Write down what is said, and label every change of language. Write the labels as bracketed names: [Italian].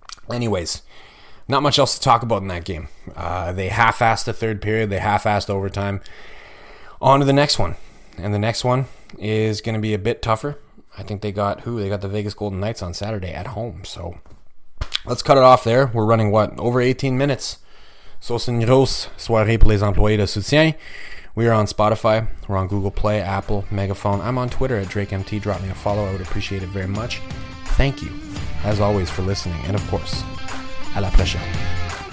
[English] Anyways, not much else to talk about in that game. They half-assed the third period, they half-assed overtime. On to the next one. And the next one is going to be a bit tougher. I think they got the Vegas Golden Knights on Saturday at home. So let's cut it off there. We're running, what, over 18 minutes. [French] So c'est une grosse soirée pour les employés de soutien. [English] We are on Spotify. We're on Google Play, Apple, Megaphone. I'm on Twitter at DrakeMT. Drop me a follow. I would appreciate it very much. Thank you, as always, for listening. And, of course, [French] à la prochaine.